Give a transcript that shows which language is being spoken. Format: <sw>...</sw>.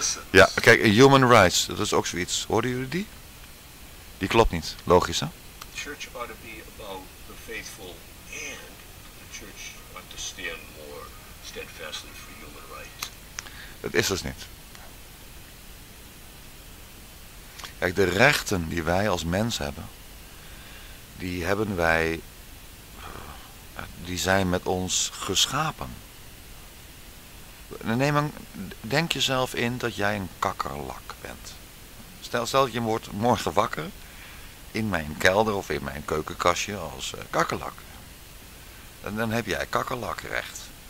<nl>Ja, kijk, human rights, dat is ook zoiets. Hoorden jullie die? Die klopt niet, logisch, hè?</nl> <en>The church ought to be about the faithful and the church ought to stand more steadfastly for human rights.</en> <nl>Dat is dus niet. Kijk, de rechten die wij als mens hebben, die hebben wij, die zijn met ons geschapen. Denk jezelf in dat jij een kakkerlak bent. Stel dat je wordt morgen wakker in mijn kelder of in mijn keukenkastje als kakkerlak. En dan heb jij kakkerlakrecht.</nl>